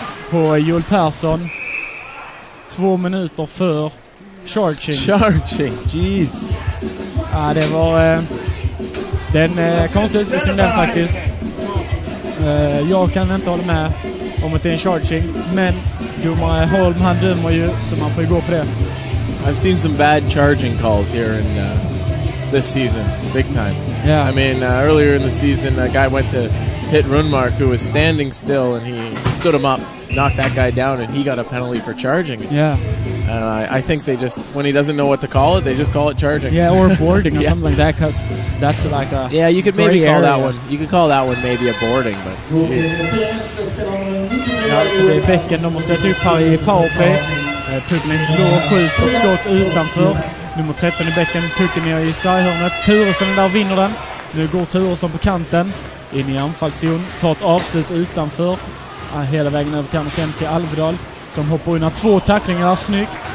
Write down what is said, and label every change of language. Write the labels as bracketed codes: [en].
[sv] På Joel Persson. 2 minuter för charging. [en] Charging, jeez. [sv] Ja, det var den konstiga utvisningen den faktiskt. Jag kan inte hålla med om att det är en charging, men domare Holm han dömer ju, så man får ju gå på det. [en] I've seen some bad charging calls here in this season, big time. Yeah. I mean, earlier in the season, a guy went to hit Runmark, who was standing still, and he stood him up, knocked that guy down, and he got a penalty for charging. Yeah. I think they just, when he doesn't know what to call it, they just call it charging. Yeah, or boarding or yeah. Something like that, because that's like a... Yeah, you could maybe call that one. You could call that one maybe a boarding, but... [sv] Ja, så det är bäcken. De måste ta upp här i powerplay. Pucken är blå och skjut och skott utanför. Nummer 13 i bäcken. Pucken ner i sidhörnet. Turesson där vinner den. Nu går Turesson på kanten. In i anfallszon. Tar ett avslut utanför. Hela vägen över till Andersen till Alvedal. Som hoppar in 2 tacklingar, snyggt.